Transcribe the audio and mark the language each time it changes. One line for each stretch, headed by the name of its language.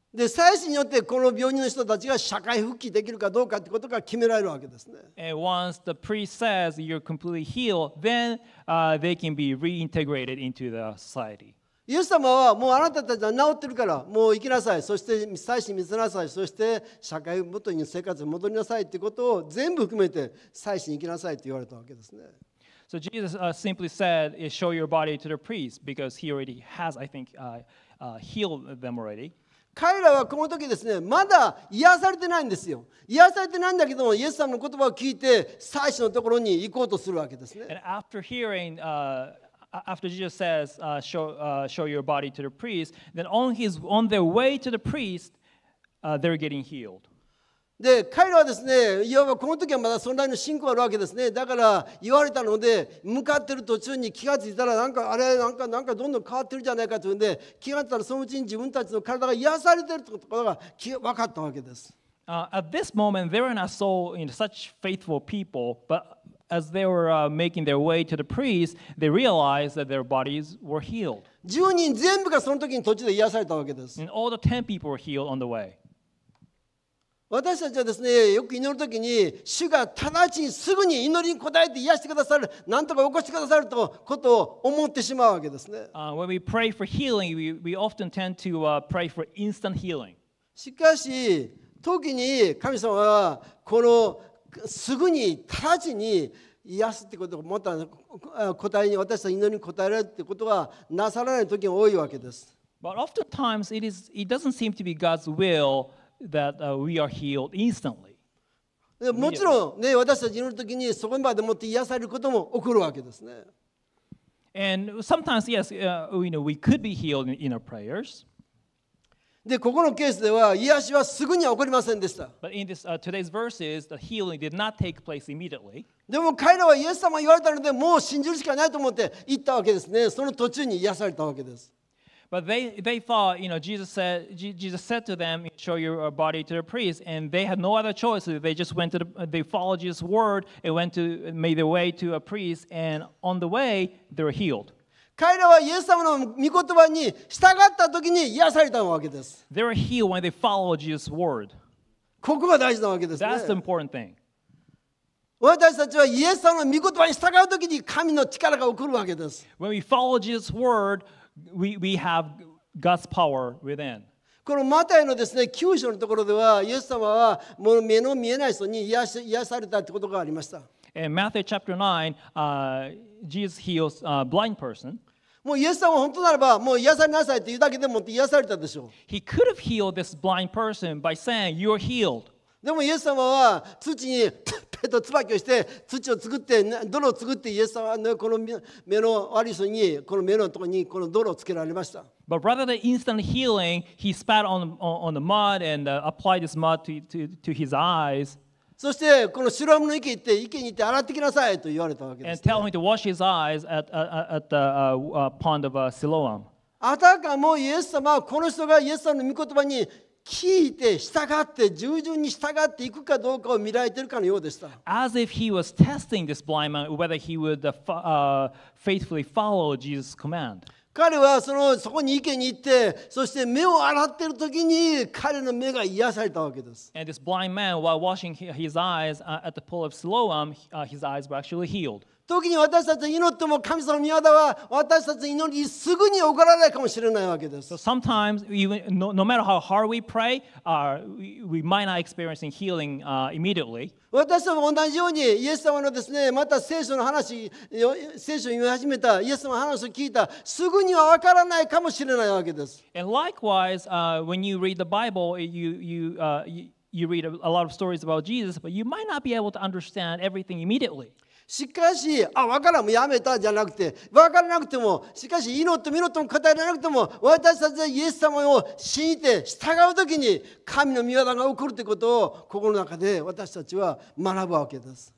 Japanese: で祭司によってこの病人の人たちが社会復帰できるかどうかってことが決められるわけですね。
English: And once the priest says you're completely healed, then they can be reintegrated into the society.
Japanese: イエス様はもうあなたたちは治ってるからもう行きなさいそして祭司に見せなさいそして社会元に生活に戻りなさいということを全部含めて祭司に行きなさいと言われたわけですね。
English: So Jesus simply said, show your body to the priest because he already has, I think, healed them already.
Japanese: 彼らはこの時ですね、まだ癒されてないんですよ。癒されてないんだけどもイエス様の言葉を聞いて祭司のところに行こうとするわけですね。
English: And after hearing, After Jesus says, show your body to the priest, then on their way to the priest, they're getting healed.
Japanese: で、彼らはですね、いわばこの時はまだそんなに信仰あるわけですね。だから言われたので、向かってる途中に気がついたら、なんかあれ、なんかどんどん変わってるじゃないかというんで、気がついたらそのうちに自分たちの体が癒されてるってことが分かったわけです。
English: At this moment, they were not so, such faithful people, but... As they were making their way to the priest, they realized that their bodies were healed.
Japanese: 10人全部がその時に途中で癒されたわけです。
English: And all the 10 people were healed on the way.
Japanese: 私たちはですね、よく祈る時に、主が直ちにすぐに祈りに応えて癒してくださる、なんとか起こしてくださるとことを思ってしまうわけですね。
English: When we pray for healing, we often tend to pray for instant healing.
Japanese: しかし、時に神様はこのすぐに直ちに癒すってことを持った答えに私たちの祈りに応えられるってことがなさらない時が多いわけです。
English: But oftentimes it doesn't seem to be God's will that we are healed instantly.
Japanese: もちろんね私たち祈る時にそこまでもって癒されることも起こるわけですね。
English: And sometimes yes, we could be healed in our prayers.
Japanese: でここのケースでは癒しはすぐには起こりませんでした。
English: But in this, today's verses, the healing did not take place immediately.
Japanese: でも彼らはイエス様が言われたのでもう信じるしかないと思って行ったわけですね。その途中に癒されたわけです。
English: But they thought, Jesus said to them, show your body to the priest, and they had no other choice. They just went to they followed Jesus' word and made their way to a priest, and on the way, they were healed.
Japanese: 彼らはイエス様の御言葉に従った時に癒されたわけです。
English: They were healed when they followed Jesus' word.
Japanese: ここが大事なわけですね。
English: That's the important thing.
Japanese: 私たちはイエス様の御言葉に従う時に神の力が起こるわけです。
English: When we follow Jesus' word, we have God's power within.
Japanese: このマタイのですね、9章のところでは、イエス様はもう目の見えない人に癒されたということがありました。
English: In Matthew chapter 9, Jesus heals a blind person.
Japanese: もうイエス様は本当ならば、もう癒されなさいって言うだけでもって癒されたでしょう。
English: He could have healed this blind person by saying, you're healed.
Japanese: でもイエス様は土にペッと椿をして、土を作って、泥を作って、イエス様は、ね、この目の悪い人に、この目のところにこの泥をつけられました。
English: But rather than instant healing, he spat on the mud and applied this mud to his eyes.
Japanese: そしてこのシロアムの池に行って池に行って洗ってきなさいと言われたわけです、ね。
English: And tell him to wash his eyes at the pond of Siloam.
Japanese: あたかもイエス様はこの人がイエス様の御言葉に聞いて従って従順に従っていくかどうかを見られているかのようでした。
English: As if he was testing this blind man whether he would faithfully follow Jesus' command.
Japanese: 彼はそこに池に行って、そして目を洗っているときに彼の目が癒されたわけです。
English: And this blind man, while washing his eyes at the pool of Siloam, his eyes were actually healed.
Japanese: 時に私たちが祈っても神様の御業は私たちの祈りにすぐに起こらないかもしれないわけです。
English: So sometimes, even, no matter how hard we pray, we might not experience healing immediately.
Japanese: 私も同じようにイエス様のですね、また聖書の話、聖書を読み始めた、イエス様の話を聞いた、すぐには分からないかもしれないわけです。
English: And likewise, when you read the Bible, you read a lot of stories about Jesus, but you might not be able to understand everything immediately.
Japanese: しかし、あ、分からん、もうやめたじゃなくて、分からなくても、しかし、祈っても祈っても答えられなくても、私たちはイエス様を信じて従うときに、神の御業が起こるということを心の中で私たちは学ぶわけです。